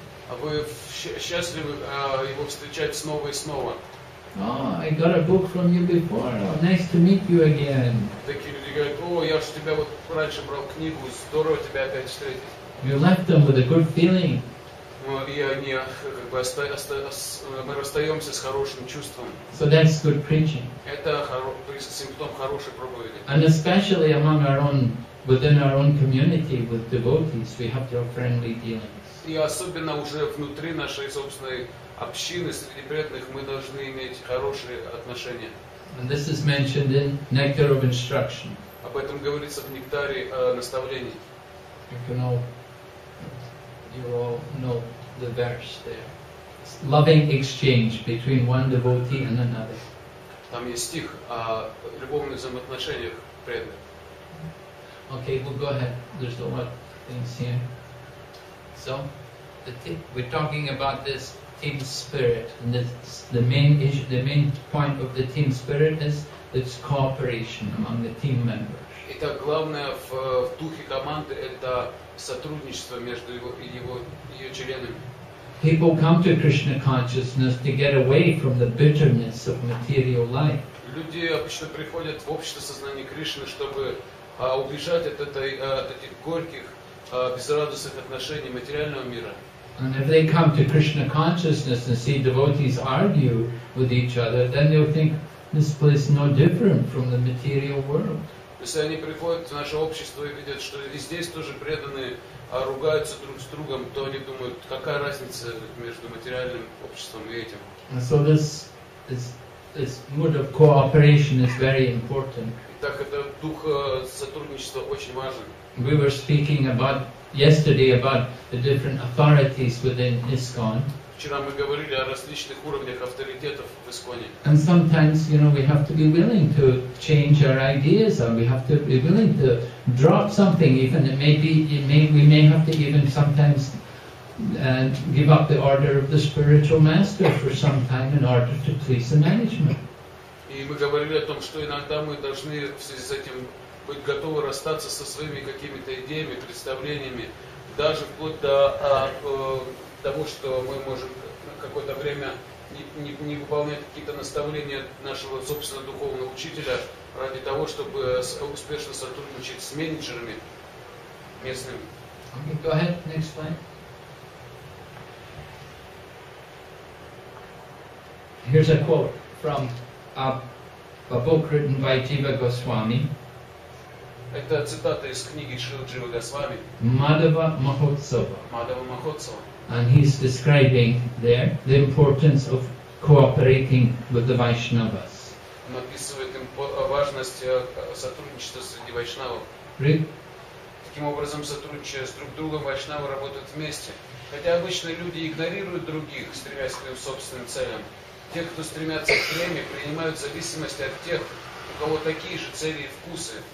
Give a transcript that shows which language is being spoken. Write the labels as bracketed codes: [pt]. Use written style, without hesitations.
[ru] А вы счастливы его встречать снова и снова. [en] Oh, I got a book from you before. Oh, nice to meet you again. [ru] Такие люди говорят, о, я же тебя вот раньше брал книгу, здорово тебя опять встретить. [en] You left them with a good feeling. [ru] Мы расстаемся с хорошим чувством. [en] So that's good preaching. [ru] Это симптом хорошей проповеди. [en] And especially among our own, within our own community with devotees, we have to have friendly dealings. [ru] И особенно уже внутри нашей собственной общины среди преданных мы должны иметь хорошие отношения. [en] And this is mentioned in Nectar of Instruction. [ru] Об этом говорится в Нектаре наставлений. [en] You all know the verse there. It's loving exchange between one devotee and another. [ru] Там есть стих о любовных взаимоотношениях преданных. [en] Okay, well, go ahead. There's a lot of things here. So, we're talking about this team spirit, and the main issue, the main point of the team spirit is its cooperation among the team members. [ru] Итак, главное в духе команды это сотрудничество между ее членами. [en] People come to Krishna consciousness to get away from the bitterness of material life. [ru] Люди обычно приходят в общество сознания Кришны, чтобы убежать от этих горьких безрадостных отношений материального мира. [en] And if they come to Krishna consciousness and see devotees argue with each other, then they'll think this place is no different from the material world. [ru] Если они приходят в наше общество и видят, что и здесь тоже преданные ругаются друг с другом, то они думают, какая разница между материальным обществом и этим. [en] And so this mode of cooperation is very important. [ru] Итак, это дух сотрудничества очень важен. [en] We were speaking about yesterday about the different authorities within ISKCON. [ru] Вчера мы говорили о различных уровнях авторитетов в ИСККОНе. [en] And sometimes, you know, we have to be willing to change our ideas, and we have to be willing to drop something, even it may be, we may have to even sometimes and give up the order of the spiritual master for some time in order to please the management. [ru] И мы говорили о том, что иногда мы должны в связи с этим быть готовы расстаться со своими какими-то идеями, представлениями, даже вплоть до того, что мы можем какое-то время не выполнять какие-то наставления нашего собственного духовного учителя ради того, чтобы успешно сотрудничать с менеджерами местными. [en] Okay, go ahead, next slide. Here's a quote from a book written by Jiva Goswami. [ru] Это цитата из книги Шрилы Дживы Госвами. Мадхава Махотсава. Мадхава Махотсава. [en] And he's describing there the importance of cooperating with the Vaishnavas. [ru] Он описывает важность сотрудничества среди Вайшнавов. Таким образом, сотрудничая с друг другом, Вайшнавы работают вместе. Хотя обычно люди игнорируют других, стремясь к своим собственным целям. Те, кто стремятся к племени, принимают зависимость от тех, у кого такие же цели и вкусы.